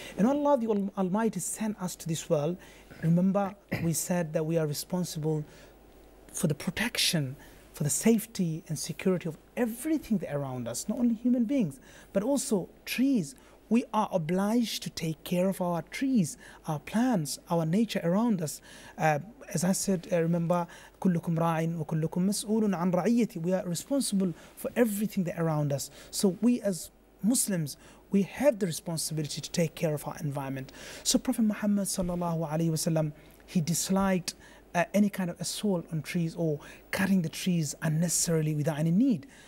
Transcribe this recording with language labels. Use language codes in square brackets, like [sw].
[en] And Allah the Almighty sent us to this world. Remember, we said that we are responsible for the protection, for the safety and security of everything around us, not only human beings, but also trees. We are obliged to take care of our trees, our plants, our nature around us. As I said, remember, [ar] كلكم راعٍ وكلكم مسؤولٌ عن رعيتي. [en] We are responsible for everything that around us. So we as Muslims, we have the responsibility to take care of our environment. So Prophet Muhammad sallallahu alaihi wasallam, he disliked any kind of assault on trees or cutting the trees unnecessarily without any need.